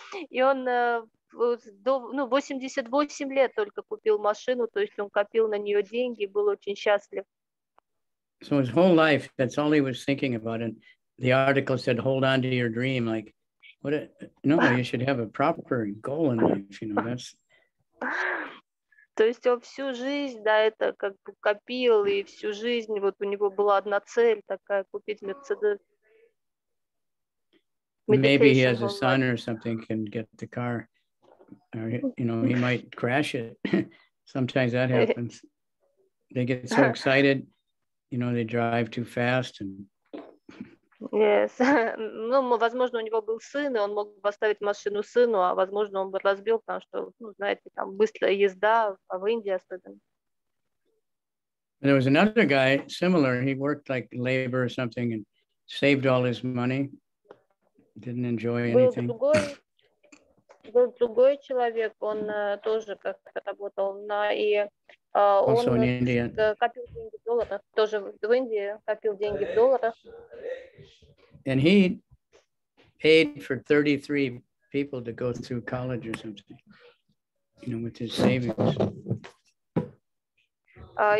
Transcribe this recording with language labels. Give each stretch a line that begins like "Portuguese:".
Russian: И он до, ну, 88 лет только купил машину, то есть он копил на нее деньги, был очень счастлив.
English: So his whole life, that's all he was thinking about. And the article said, hold on to your dream. Like, what? No, you should have a proper goal in life. You know, that's...
Russian: То есть он всю жизнь, да, это как бы копил, и всю жизнь вот у него была одна цель такая, купить Мерседес.
English: Maybe he has a son or something can get the car. Or, you know, he might crash it. Sometimes that happens. They get so excited. You know, they drive too fast and... Yes.
Russian: Ну, возможно, у него был сын, и он мог поставить машину сыну, а возможно, он бы разбил, потому что, ну, знаете, там быстрая езда, а в Индии особенно.
English: There was another guy, similar, he worked like labor or something and saved all his money, didn't enjoy anything.
Russian: Был другой, был другой человек, он тоже как-то работал на и
English: also
Russian: он копил деньги в долларах, тоже в Индии копил деньги в долларах.
English: And he paid for 33 people to go through college or something, you know, with his savings.